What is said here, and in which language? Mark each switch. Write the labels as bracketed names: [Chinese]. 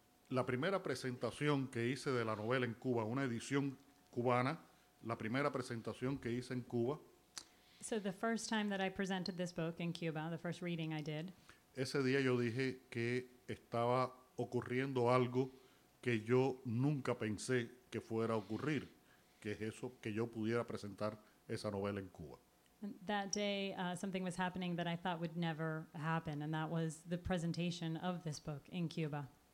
[Spanish] La primera presentación que hice de la novela en Cuba, una edición cubana, la primera presentación que hice en Cuba. [English] So the first time that I presented this book in Cuba, the first reading I did. [Spanish] Ese día yo dije que estaba ocurriendo algo que yo nunca pensé que fuera a ocurrir, que es eso, que yo pudiera presentar esa novela en Cuba. [English] That day, something was happening that I thought would never happen, and that was the presentation of this book in Cuba.